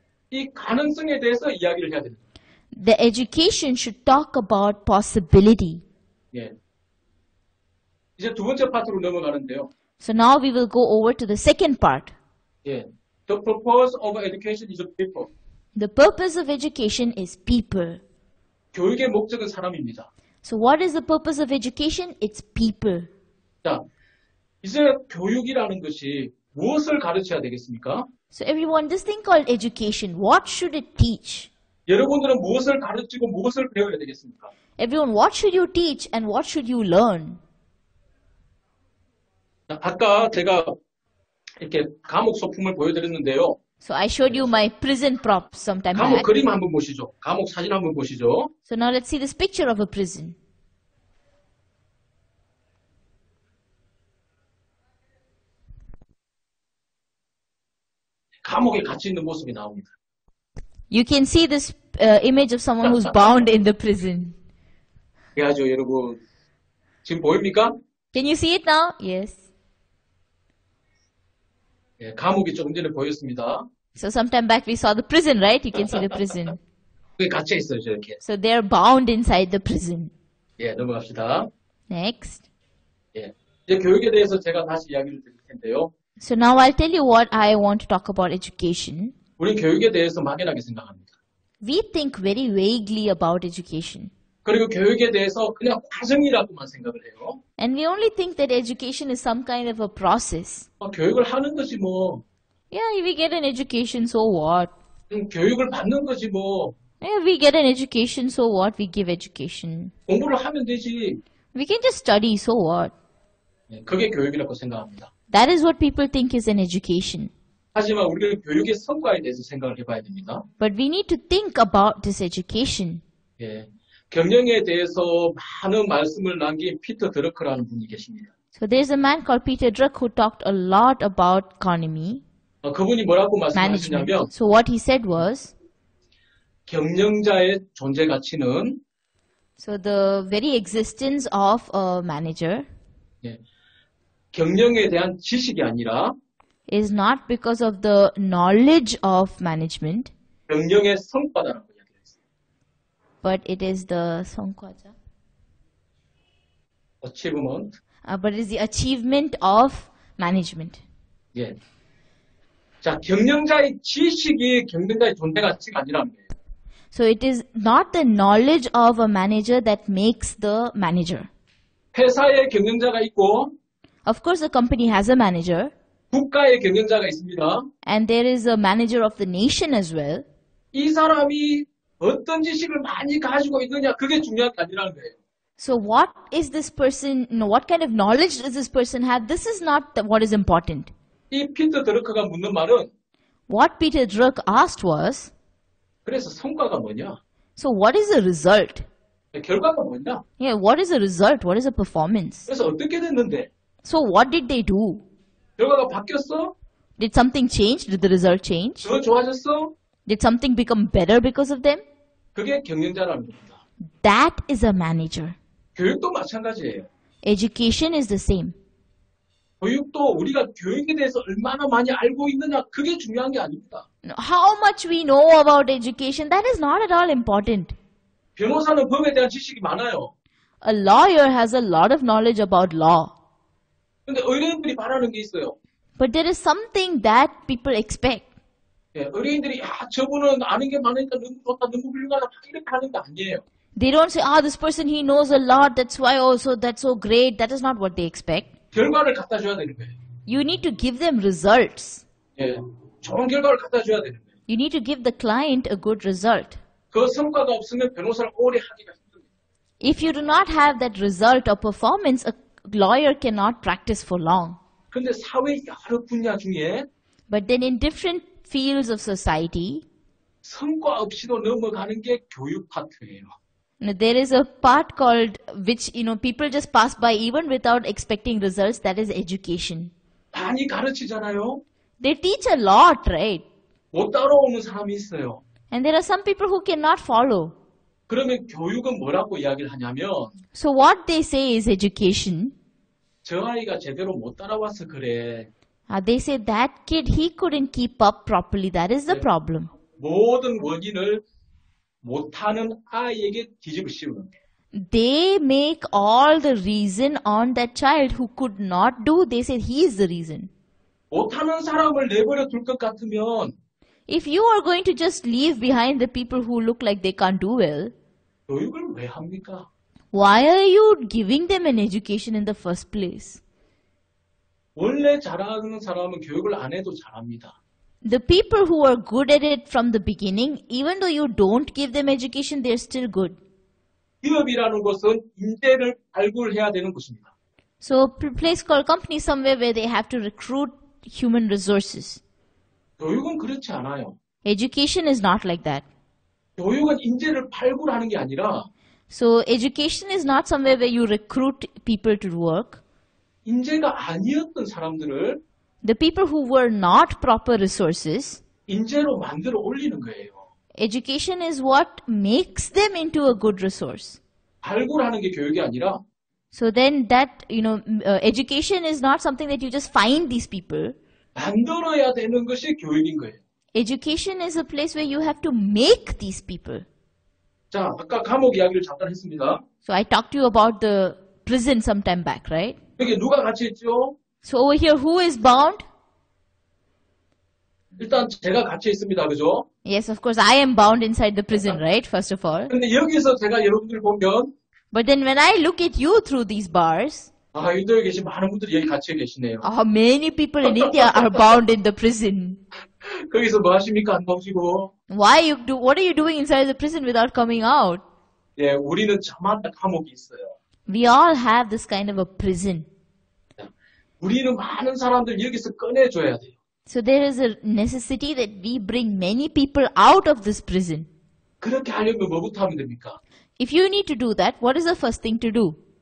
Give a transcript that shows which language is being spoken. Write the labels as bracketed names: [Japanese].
[Korean] 이 가능성에 대해서 이야기를 해야 됩니다. [English] The education should talk about possibility. [Korean] 예. 이제 두 번째 파트로 넘어가는데요. [English] So now we will go over to the second part. 예. The purpose of education is people. The purpose of education is people. [Korean] 교육의 목적은 사람입니다. [English] So what is the purpose of education? It's people. [Korean] 자, 이제 교육이라는 것이 무엇을 가르쳐야 되겠습니까? [English] So everyone, this thing called education, what should it teach? [Korean] 여러분들은 무엇을 가르치고 무엇을 배워야 되겠습니까? [English] Everyone, what should you teach and what should you learn? [Korean] 자, 아까 제가 이렇게 감옥 소품을 보여드렸는데요. [English] So I showed you my prison prop sometime back. [Korean] 감옥 그림 한번 보시죠. 감옥 사진 한번 보시죠. [English] So now let's see this picture of a prison. [Korean] 감옥에 갇혀 있는 모습이 나옵니다. [English] You can see this image of someone who's bound in the prison. [Korean] 그래야죠, 여러분. 지금 보입니까? [English] Can you see it now? Yes. [Korean] 예, 감옥이 조금 전에 보였습니다. [English] So sometime back we saw the prison, right? You can see the prison. [Korean] 그게 갇혀 있어요, 저렇게. [English] So they are bound inside the prison. [Korean] 예, 넘어갑시다. [English] Next. [Korean] 예, 이제 교육에 대해서 제가 다시 이야기를 드릴 텐데요. [English] So now I'll tell you what I want to talk about education. [Korean] 우리 교육에 대해서 막연하게 생각합니다. [English] We think very vaguely about education. [Korean] 그리고 교육에 대해서 그냥 과정이라고만 생각을 해요. [English] And we only think that education is some kind of a process. [Korean] 교육을 하는 것이 뭐. [English] Yeah, we get an education, so what? [Korean] 교육을 받는 것이 뭐. [English] Yeah, we get an education, so what? We give education. [Korean] 공부를 하면 되지. [English] We can just study, so what? [Korean] 그게 교육이라고 생각합니다. [English] That is what people think is an education. [Korean] 하지만 우리는 교육의 성과에 대해서 생각을 해봐야 됩니다. [English] But we need to think about this education. [Korean] 예. 경영에 대해서 많은 말씀을 남긴 피터 드러커라는 분이 계십니다. [English] So there's a man called Peter Drucker who talked a lot about economy. [Korean] 그분이 뭐라고 말씀하시냐면, [English] so what he said was, [Korean] 경영자의 존재 가치는, [English] so the very existence of a manager, [Korean] 예, 경영에 대한 지식이 아니라, [English] is not because of the knowledge of management, [Korean] 경영의 성과다. [English] But it is the [Korean] 성과자. [English] achievement. But it is the achievement of management. [Korean] 예. 자, 경영자의 지식이 경영자의 존재 가치가 아니랍니다. [English] So it is not the knowledge of a manager that makes the manager. [Korean] 회사에 경영자가 있고, [English] of course the company has a manager. [Korean] 국가에 경영자가 있습니다. [English] And there is a manager of the nation as well. [Korean] 이 사람이 어떤 지식을 많이 가지고 있느냐 그게 중요한 게 아니라는 거예요. [English] So what is this person, what kind of knowledge does this person have? This is not what is important. [Korean] 이 피터 드러커가 묻는 말은 [English] What Peter Drucker asked was [Korean] 그래서 성과가 뭐냐? [English] So what is the result? [Korean] 네, 결과가 뭐냐? [English] Yeah, what is the result? What is the performance? [Korean] 그래서 어떻게 됐는데? [English] So what did they do? [Korean] 결과가 바뀌었어? [English] Did something change? Did the result change? [Korean] 더 좋아졌어? [English] Did something become better because of them? [Korean] 그게 경영자랍니다. [English] That is a manager. [Korean] 교육도 마찬가지예요. [English] Education is the same. [Korean] 교육도 우리가 교육에 대해서 얼마나 많이 알고 있느냐 그게 중요한 게 아닙니다. [English] How much we know about education, that is not at all important. [Korean] 변호사는 법에 대한 지식이 많아요. [English] A lawyer has a lot of knowledge about law. [Korean] 근데 의뢰인들이 바라는 게 있어요. [English] But there is something that people expect. [Korean] 예, 의뢰인들이 아, 저분은 아는 게 많으니까 너무 좋다, 너무 훌륭하다 이렇게 하는 게 아니에요. [English] They don't say, ah, this person, he knows a lot, that's why also, that's so great. That is not what they expect. [Korean] 결과를 갖다 줘야 되는 거예요. [English] You need to give them results. [Korean] 예, 좋은 결과를 갖다 줘야 되는 거예요. [English] You need to give the client a good result. [Korean] 그 성과가 없으면 변호사를 오래 하기가 힘들어요. [English] If you do not have that result or performance, a lawyer cannot practice for long. [Korean] 근데 사회 여러 분야 중에 [English] But then in different fields of society, [Korean] 성과 없이도 넘어가는 게 교육 파트예요. [English] There is a part called which you know people just pass by even without expecting results. That is education. [Korean] 많이 가르치잖아요. [English] They teach a lot, right? [Korean] 못 따라오는 사람이 있어요. [English] And there are some people who cannot follow. [Korean] 그러면 교육은 뭐라고 이야기를 하냐면. [English] So what they say is education. [Korean] 저 아이가 제대로 못 따라와서 그래. [English] They say that kid he couldn't keep up properly. That is the 네. problem. [Korean] 모든 원인을 못하는 아이에게 뒤집어 씌우는 [English] They make all the reason on that child who could not do. They say he is the reason. [Korean] 못하는 사람을 내버려 둘 것 같으면 [English] If you are going to just leave behind the people who look like they can't do well [Korean] 교육을 왜 합니까? [English] Why are you giving them an education in the first place? [Korean] 원래 잘하는 사람은 교육을 안 해도 잘합니다. [English] The people who are good at it from the beginning, even though you don't give them education, they're still good. [Korean] 기업이라는 것은 인재를 발굴해야 되는 곳입니다. [English] So a place called company somewhere where they have to recruit human resources. [Korean] 교육은 그렇지 않아요. [English] Education is not like that. [Korean] 교육은 인재를 발굴하는 게 아니라 [English] So education is not somewhere where you recruit people to work. [Korean] 인재가 아니었던 사람들을 [English] The people who were not proper resources, [Korean] 인재로 만들어 올리는 거예요. [English] Education is what makes them into a good resource. [Korean] 발굴하는 게 교육이 아니라. [English] So then that, you know, education is not something that you just find these people. [Korean] 만들어야 되는 것이 교육인 거예요. [English] Education is a place where you have to make these people. [Korean] 자, 아까 감옥 이야기를 잠깐 했습니다. [English] So I talked to you about the prison sometime back, right? [Korean] 여기 누가 같이 했죠? [English] So over here, who is bound? [Korean] 일단 제가 갇혀 있습니다, 그죠? [English] Yes, of course, I am bound inside the prison, right? First of all. [Korean] 근데 여기서 제가 여러분들 보면, [English] but then when I look at you through these bars, [Korean] 아 인도에 계신 많은 분들이 여기 갇혀 계시네요. [English] 아, many people in India are bound in the prison. [Korean] 거기서 뭐 하십니까 안 보시고? [English] Why you do? What are you doing inside the prison without coming out? [Korean] 예, 우리는 저마다 감옥이 있어요. [English] We all have this kind of a prison. [Korean] 우리는 많은 사람들 여기서 꺼내줘야 돼요. [English] So there is a necessity that we bring many people out of this prison. [Korean] 그렇게 하려면 뭐부터 하면 됩니까? If you need to do that, what is the first thing to do?